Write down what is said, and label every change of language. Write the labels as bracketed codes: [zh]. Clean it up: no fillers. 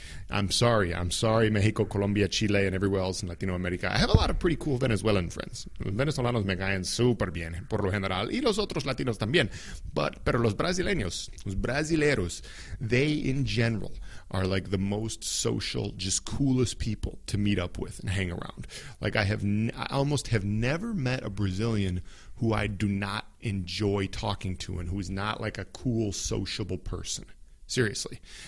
[en] I'm sorry, Mexico, Colombia, Chile, and everywhere else in Latino America. I have a lot of pretty cool Venezuelan friends. [es] Los venezolanos me caen súper bien, por lo general, y los otros latinos también. Pero los brasileños, [en] they in general are like the most social, just coolest people to meet up with and hang around. Like I almost have never met a Brazilian who I do not enjoy talking to and who is not like a cool, sociable person. Seriously.